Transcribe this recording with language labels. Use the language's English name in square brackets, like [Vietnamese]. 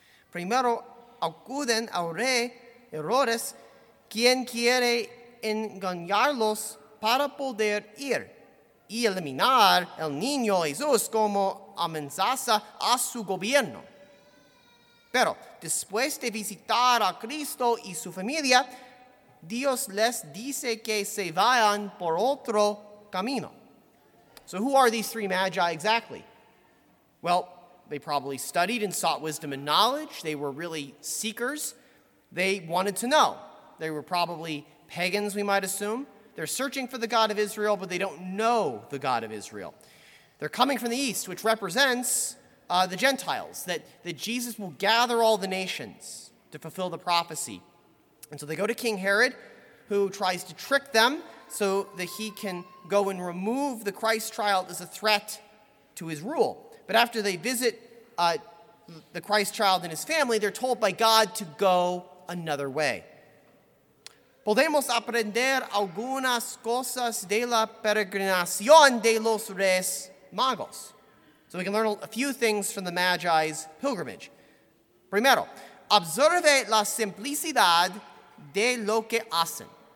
[Spanish] Primero acuden al rey Herodes, quien quiere engañarlos para poder ir y eliminar al niño Jesús como amenaza a su gobierno. Pero después de visitar a Cristo y su familia, Dios les dice que se vayan por otro camino. [English] So who are these three magi exactly? Well, they probably studied and sought wisdom and knowledge. They were really seekers. They wanted to know. They were probably pagans, we might assume. They're searching for the God of Israel, but they don't know the God of Israel. They're coming from the East, which represents the Gentiles, that Jesus will gather all the nations to fulfill the prophecy. And so they go to King Herod, who tries to trick them so that he can go and remove the Christ child as a threat to his rule. But after they visit the Christ child and his family, they're told by God to go another way. [Spanish] Podemos aprender algunas cosas de la peregrinación de los Reyes Magos. [English] So we can learn a few things from the Magi's pilgrimage. [Spanish] Primero, observe la simplicidad de lo que hacen.